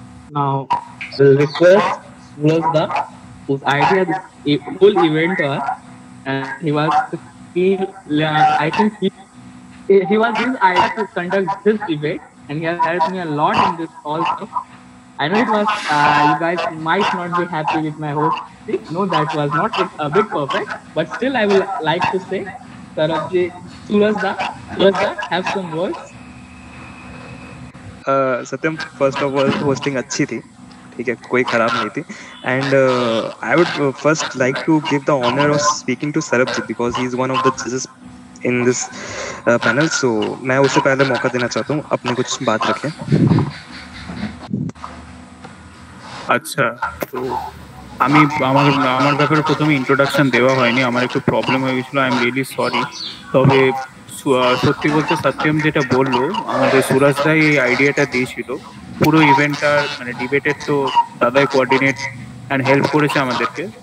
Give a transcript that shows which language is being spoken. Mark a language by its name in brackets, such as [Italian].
[English] Now we'll request Sulasda, whose idea the whole event was, and he was his idea to conduct this debate, and he has helped me a lot in this also. I know it was you guys might not be happy with my host speech. No, that was not a bit perfect, but still I will like to say, Sarabji, Sulasda, have some words. [Hindi] Satyam, first of all hosting अच्छी थी, ठीक है, कोई खराब नहीं थी। [English] and I would first like to give the honour of speaking to सरब जी, because he is one of the जजेस in this panel, so [Hindi] मैं उससे पहले मौका देना चाहता हूँ अपने कुछ बात रखें। अच्छा, तो [Bangla] আমি আমার আমার ব্যাপারে প্রথমে ইন্ট্রোডাকশন দেওয়া হয়নি, আমার একটু প্রবলেম হয়ে গেছিলো, [English] I am really sorry. [Bangla] তবে সত্যি বলতে সত্যম যেটা বললো, আমাদের সুরাজ দাই এই আইডিয়াটা দিয়েছিল পুরো ইভেন্টটার, মানে ডিবেটের তো দাদাই কোয়ার্ডিনেট অ্যান্ড হেল্প করেছে আমাদেরকে।